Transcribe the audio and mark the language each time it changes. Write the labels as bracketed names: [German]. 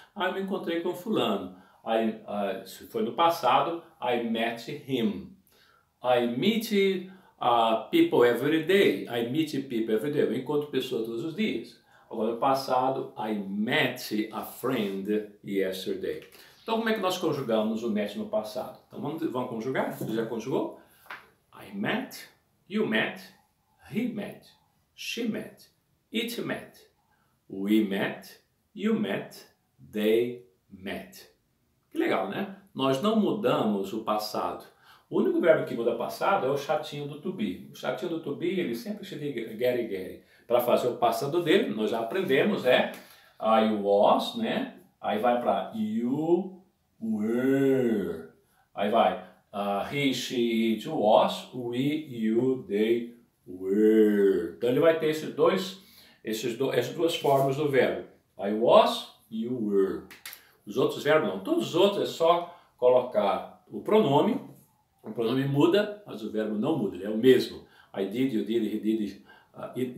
[Portuguese] Ah, eu me encontrei com fulano. Se foi no passado, [English] I met him. I meet people every day. I meet people every day. [Portuguese] Eu encontro pessoas todos os dias. Agora, no passado, [English] I met a friend yesterday. [Portuguese] Então, como é que nós conjugamos o met no passado? Então, vamos conjugar? Você já conjugou? [English] I met, you met, he met, she met, it met, we met, you met, they met. [Portuguese] Que legal, né? Nós não mudamos o passado. O único verbo que muda passado é o chatinho do to be. O chatinho do to be, ele sempre se liga get. Para fazer o passado dele, nós já aprendemos, é [English] I was, [Portuguese] né? Aí vai para [English] you were. [Portuguese] Aí vai [English] he, she, it was, we, you, they were. [Portuguese] Então ele vai ter essas duas formas do verbo. [English] I was, you were. [Portuguese] Os outros verbos não. Todos os outros é só colocar o pronome. O pronome muda, mas o verbo não muda, ele é o mesmo. [English] I did, you did, he did.